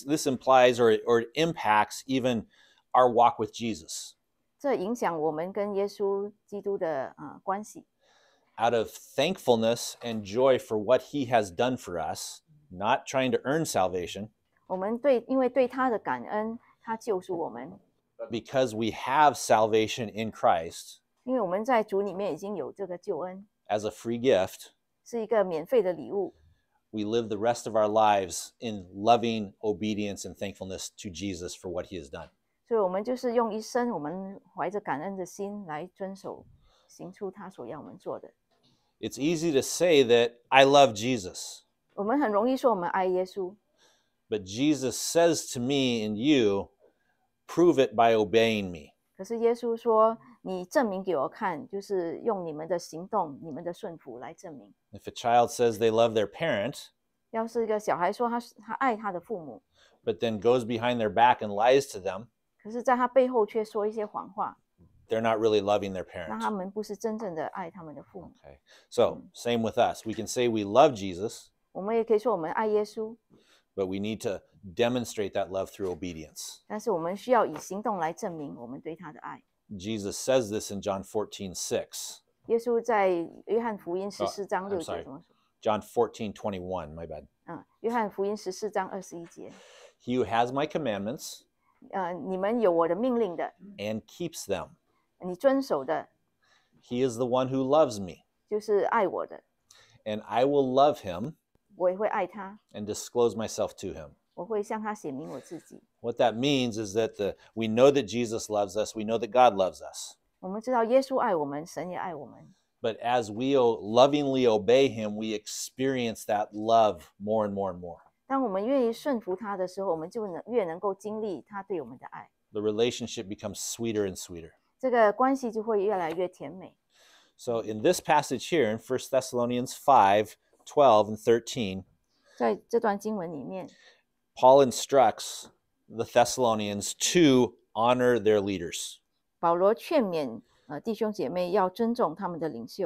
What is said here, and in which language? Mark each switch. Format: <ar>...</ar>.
<en>And this implies or impacts even our walk with Jesus.</en> <zh>这影响我们跟耶稣基督的关系。</zh> <en>Out of thankfulness and joy for what he has done for us, not trying to earn salvation.</en> <zh>我们对，因为对他的感恩，他救赎我们。</zh> <en>Because we have salvation in Christ.</en> <zh>因为我们在主里面已经有这个救恩。</zh> <en>As a free gift.</en> <zh>是一个免费的礼物。</zh> <en>We live the rest of our lives in loving obedience and thankfulness to Jesus for what he has done.</en> <zh>所以我们就是用一生，我们怀着感恩的心来遵守，行出他所要我们做的。</zh> <en>It's easy to say that I love Jesus.</en> <zh>我们很容易说我们爱耶稣。</zh> <en>But Jesus says to me and you, prove it by obeying me.</en> <zh>可是耶稣说，你证明给我看，就是用你们的行动，你们的顺服来证明。</zh> <en>If a child says they love their parent,</en> <zh>要是一个小孩说他爱他的父母，</zh> <en>but then goes behind their back and lies to them,</en> <zh>可是在他背后却说一些谎话。</zh> <en>They're not really loving their parents.</en> <zh>那他们不是真正的爱他们的父母。</zh> <en>Okay. So, same with us. We can say we love Jesus.</en> <zh>我们也可以说我们爱耶稣。</zh> <en>But we need to demonstrate that love through obedience.</en> <zh>但是我们需要以行动来证明我们对他的爱。</zh> <en>Jesus says this in John 14:6.</en> <zh>耶稣在约翰福音十四章六节怎么说？</zh> <en>John 14:21, my bad.</en> <zh>约翰福音十四章二十一节。</zh> <en>He who has my commandments,</en> <zh>你们有我的命令的</zh> <en>，and keeps them,</en> <zh>你遵守的</zh> <en>，he is the one who loves me,</en> <zh>就是爱我的</zh> <en>，and I will love him,</en> <zh>我也会爱他</zh> <en>，and disclose myself to him,</en> <zh>我会向他显明我自己。</zh> <en>What that means is that we know that Jesus loves us, we know that God loves us.</en> <zh>我们知道耶稣爱我们，神也爱我们。</zh> <en>But as we lovingly obey him, we experience that love more and more and more.</en> <zh>当我们愿意顺服他的时候，我们就能越能够经历他对我们的爱。</zh> <en>The relationship becomes sweeter and sweeter.</en> <zh>这个关系就会越来越甜美。</zh> <en>So in this passage here, in 1 Thessalonians 5, 12 and 13,</en> <zh>在这段经文里面，</zh> <en>Paul instructs the Thessalonians to honor their leaders.</en> <zh>保罗劝勉弟兄姐妹要尊重他们的领袖。</zh>